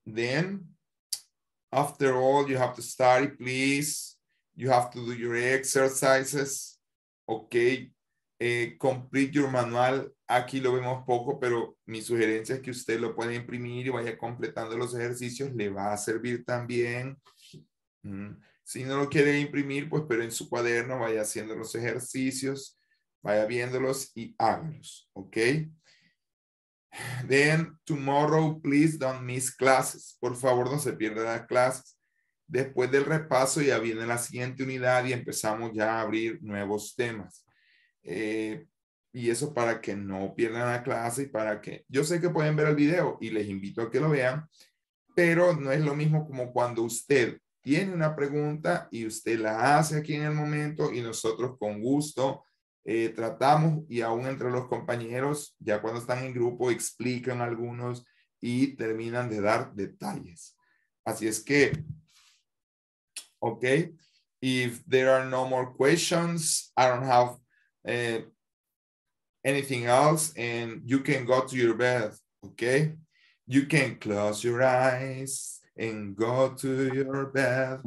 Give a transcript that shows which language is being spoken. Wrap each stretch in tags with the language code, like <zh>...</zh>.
<en>Then, after all, you have to study, please. You have to do your exercises. Okay, complete your manual.</en> <es>Aquí lo vemos poco, pero mi sugerencia es que usted lo puede imprimir y vaya completando los ejercicios. Le va a servir también. Si no lo quiere imprimir, pues pero en su cuaderno vaya haciendo los ejercicios, vaya viéndolos y háganlos, ¿ok?</es> <en>Then, tomorrow, please don't miss classes.</en> <es>Por favor, no se pierdan las clases. Después del repaso ya viene la siguiente unidad y empezamos ya a abrir nuevos temas. Y eso para que no pierdan la clase y para que... Yo sé que pueden ver el video y les invito a que lo vean, pero no es lo mismo como cuando usted tiene una pregunta y usted la hace aquí en el momento y nosotros con gusto tratamos y aún entre los compañeros, ya cuando están en grupo, explican algunos y terminan de dar detalles. Así es que,</es> <en>ok, if there are no more questions, I don't have anything else, and you can go to your bed, ok? You can close your eyes and go to your bed.</en>